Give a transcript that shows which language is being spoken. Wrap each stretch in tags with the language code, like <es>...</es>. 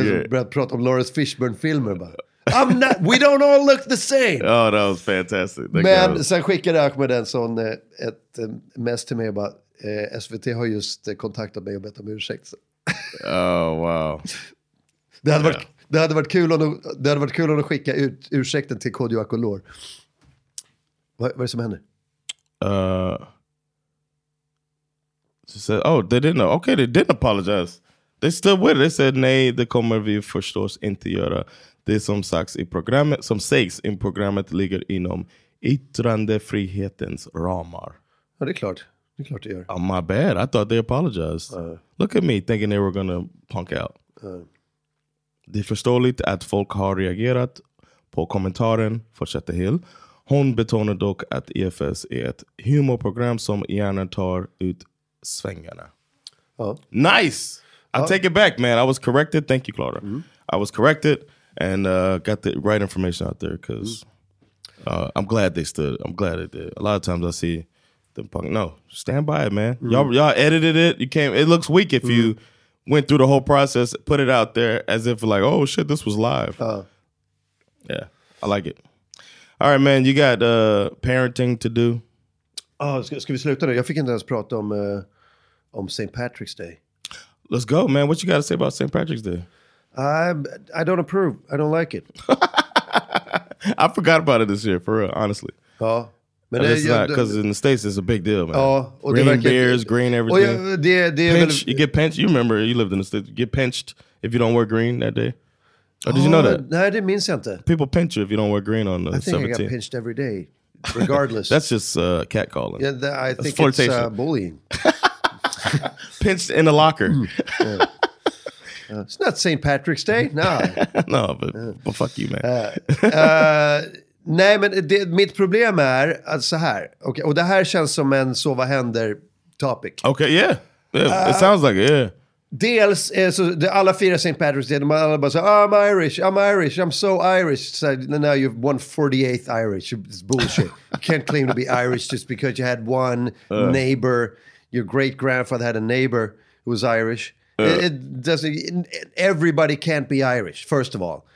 <sv>Jag pratade om Lawrence Fishburne-filmer.</sv> <en>I'm not, we don't all look the same. Oh, that was fantastic. That Men was...</en> <sv>sen skickade Ahmed en sån mess till mig och bara, SVT har just kontaktat mig och bett om ursäkt.</sv> <en>Oh, wow.</en> <sv>Det hade varit kul om att skicka ut ursäkten till Kodjo Akolo. Vad är det som händer?</sv> <en>Said, oh, they didn't know. Okay, they didn't apologize. They still with it. They said,</en> <sv>nej, det kommer vi förstås inte göra. Det som sagt i programmet, som sägs i programmet ligger inom yttrandefrihetens ramar. Ja, det är klart. Det är klart det gör.</sv> <en>Oh, my bad. I thought they apologized. Look at me thinking they were gonna punk out.</en> <sv>Det är förståeligt att folk har reagerat på kommentaren, fortsätter Hill. Hon betonar dock att EFS är ett humorprogram som gärna tar ut svängarna. Ja.</sv> <en>Nice! I take it back, man. I was corrected. Thank you, Clara. Mm. I was corrected and got the right information out there because I'm glad they stood. I'm glad it did. A lot of times I see them punk. No, stand by it, man. Mm. Y'all edited it. You came. It looks weak if you went through the whole process, put it out there as if like, oh, shit, this was live. Yeah, I like it. All right, man. You got parenting to do. Oh,</en> <sv>ska vi sluta nu? Jag fick inte ens prata om St. Patrick's Day.</sv> <en>Let's go, man. What you got to say about St. Patrick's Day? I don't approve. I don't like it. I forgot about it this year, for real, honestly.</en> <sv>Ja. Men det,</sv> <en>not, because in the States, it's a big deal, man.</en> <sv>Ja,</sv> <en>och green det verkligen, beers, green everything.</en> <sv>Och ja, det</sv> <en>pinch, väl, you get pinched. You remember, you lived in the States. You get pinched if you don't wear green that day. Or did you know that?</en> <sv>Nej, det minns jag inte.</sv> <en>People pinch you if you don't wear green on the 17th. I think I got pinched every day, regardless. That's just catcalling. Yeah, I think it's bullying. Pinched in a locker. It's not St. Patrick's Day, no. No, but fuck you, man.</en> <sv>Nej, men det, mitt problem är att så här. Okay, och det här känns som en så vad händer topic.</sv> <en>Okay, yeah. It sounds like it, yeah.</en> <sv>Dels är så, det, alla firar St. Patrick's Day. De alla bara säger,</sv> <en>I'm Irish, I'm Irish, I'm so Irish. So, no, you've won 48th Irish. It's bullshit. You can't claim to be Irish just because you had one neighbor. Your great-grandfather had a neighbor who was Irish. It doesn't. Everybody can't be Irish, first of all.</en>